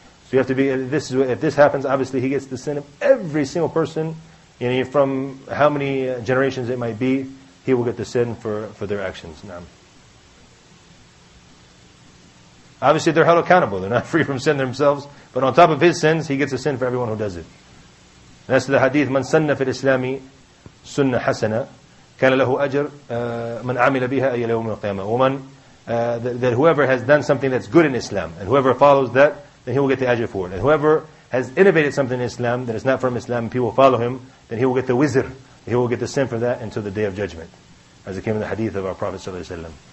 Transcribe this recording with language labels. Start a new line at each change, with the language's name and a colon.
English: So you have to be, if this happens, obviously he gets the sin of every single person, you know, from how many generations it might be, he will get the sin for their actions. Now, obviously they're held accountable, they're not free from sin themselves, but on top of his sins, he gets a sin for everyone who does it. And that's the hadith,
Arabic: من سن في الإسلام سنة حسنة كان له أجر من عمل بها أي يوم القيامة.
English: That whoever has done something that's good in Islam, and whoever follows that, then he will get the ajr for it. And whoever has innovated something in Islam that is not from Islam, and people follow him, then he will get the wizr. He will get the sin for that until the Day of Judgment, as it came in the hadith of our Prophet ﷺ.